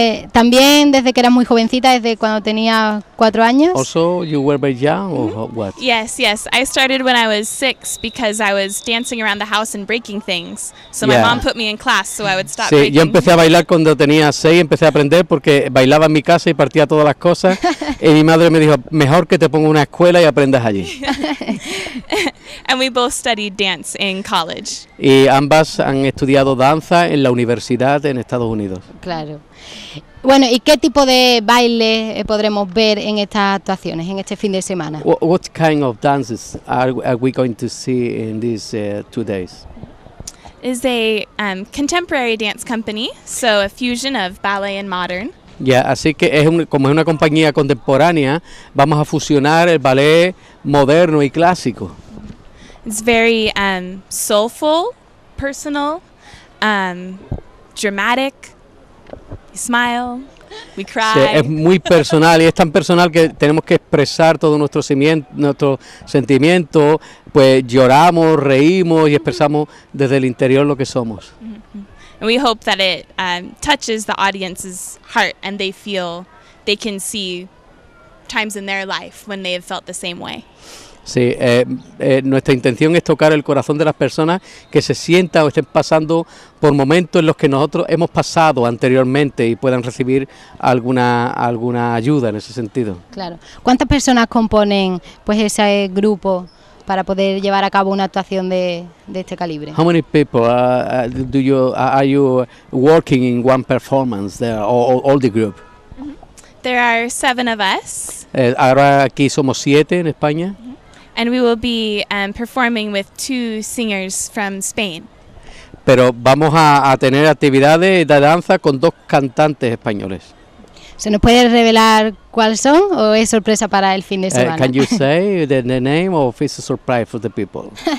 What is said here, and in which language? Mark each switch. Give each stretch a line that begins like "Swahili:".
Spanish: También desde que eras muy jovencita, desde cuando tenía 4 años.
English: Also, you were very young, or what? Yes. I started when I was 6 because I was dancing around the house and breaking things. So my mom put me in class so I would stop breaking.
Spanish: Sí, yo empecé a bailar cuando tenía 6, empecé a aprender porque bailaba en mi casa y partía todas las cosas. Y mi madre me dijo, mejor que te ponga una escuela y aprendas allí.
English: And we both studied dance in college.
Spanish: Y ambas han estudiado danza en la universidad en Estados Unidos. Claro. Bueno, ¿y qué tipo de baile podremos ver en estas actuaciones, en este fin de semana?
English: What kind of dances are we going to see in these 2 days? Is a contemporary dance company, so a fusion of ballet and modern.
Spanish: Así que como es una compañía contemporánea, vamos a fusionar el ballet moderno y clásico.
English: It's very soulful, personal, dramatic. You smile, we cry. Sí,
Spanish: es muy personal y es tan personal que tenemos que expresar todo nuestro sentimiento, pues lloramos, reímos y expresamos desde el interior lo que somos. Mm-hmm.
English: And we hope that it touches the audience's heart and they feel they can see times in their life when they have felt the same way.
Spanish: Sí, nuestra intención es tocar el corazón de las personas que se sientan o estén pasando por momentos en los que nosotros hemos pasado anteriormente y puedan recibir alguna ayuda en ese sentido. Claro. ¿Cuántas personas componen pues ese grupo para poder llevar a cabo una actuación de este calibre?
English: How many people are you working in one performance there, or all the group? There are 7 of us.
Spanish: Ahora aquí somos 7 en España.
English: And we will be performing with 2 singers from Spain.
Spanish: Pero vamos a tener actividades de danza con 2 cantantes españoles. ¿Se nos puede revelar cuáles son o es sorpresa para el fin de semana?
English: Can you say the name or is it a surprise for the people?